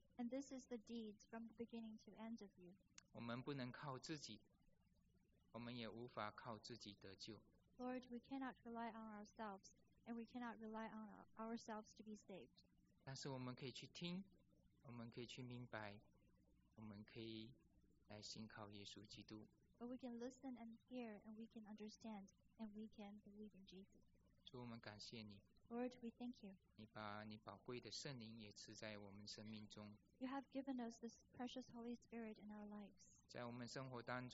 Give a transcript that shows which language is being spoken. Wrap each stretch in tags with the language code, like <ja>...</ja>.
<en>And this is the deeds from the beginning to the end of you.</en> <zh>我们不能靠自己，我们也无法靠自己得救。</zh> <en>Lord, we cannot rely on ourselves, and we cannot rely on ourselves to be saved.</en> <zh>但是我们可以去听，我们可以去明白，我们可以来信靠耶稣基督。</zh> <en>But we can listen and hear, and we can understand, and we can believe in Jesus.</en> <zh>主，我们感谢你。</zh> <en>Lord, we thank you.</en> <zh>你把你宝贵的圣灵也赐在我们生命中。</zh> <en>You have given us this precious Holy Spirit in our lives.</en>